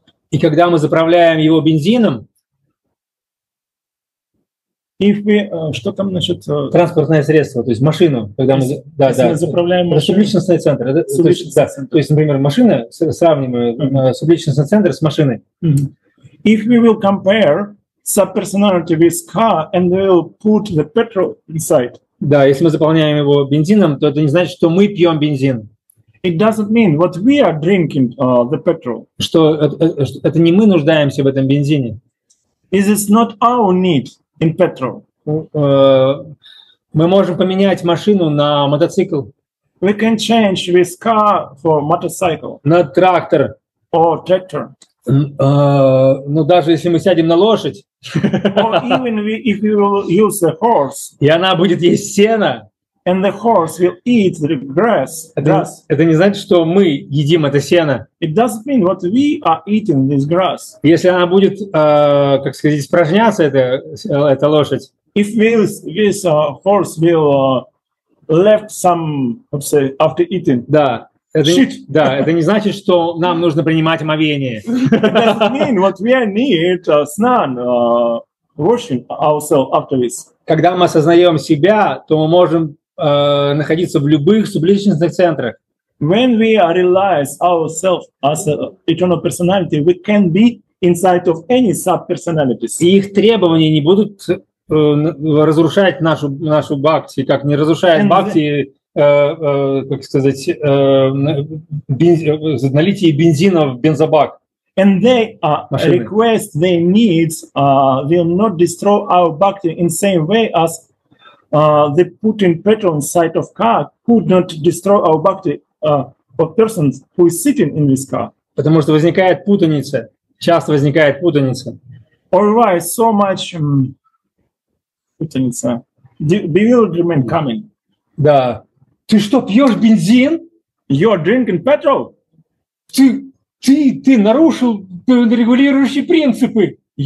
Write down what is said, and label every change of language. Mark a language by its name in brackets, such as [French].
[Russian] И когда мы заправляем его бензином, [English] if we, [Russian] что там насчет транспортное средство, то есть машину, когда мы заправляем машину. Субличностный центр. То есть, например, машина, сравним субличностный центр с машиной. Mm-hmm. [English] If we will compare subpersonality with car and we will put the petrol inside. [Russian] Да, если мы заполняем его бензином, то это не значит, что мы пьем бензин. [English] It doesn't mean what we are drinking the petrol. [Russian] Что это не мы нуждаемся в этом бензине. [English] Is this not our need? In petrol. [Russian] Мы можем поменять машину на мотоцикл. [English] We can change this car for motorcycle. [Russian] На трактор. [English] Or tractor. [Russian] Но даже если мы сядем на лошадь. [English] Or even if we will use the horse. [Russian] И она будет есть сено. [English] And the horse will eat the grass. [Russian] Это не значит, что мы едим это сено. [English] It doesn't mean what we are eating this grass. [Russian] Если она будет, как сказать, испражняться, эта лошадь. [English] If this horse will left some, let's say, after eating. [Russian] Да. Да, это не значит, что нам нужно принимать омовение. [English] It doesn't mean what we need snan. Washing ourselves after this. [Russian] Когда мы осознаем себя, то мы можем находиться в любых субличностных центрах. [English] When we realize ourselves as an eternal personality, we can be inside of any subpersonalities. [Russian] И их требования не будут разрушать нашу бхакти, как не разрушает бхакти, как сказать, налитие бензина в бензобак. [English] And they request, their needs will not destroy our bhakti in same way as the putting petrol inside of car could not destroy our bhakti of persons who is sitting in this car. [Russian] Потому что возникает путаница. Часто возникает путаница. [English] Alright, so much [Russian] путаница. [English] Bewilderment coming. [Russian] Да. Ты что, пьешь бензин? [English] You're drinking petrol? [Russian] Ты нарушил регулирующие принципы.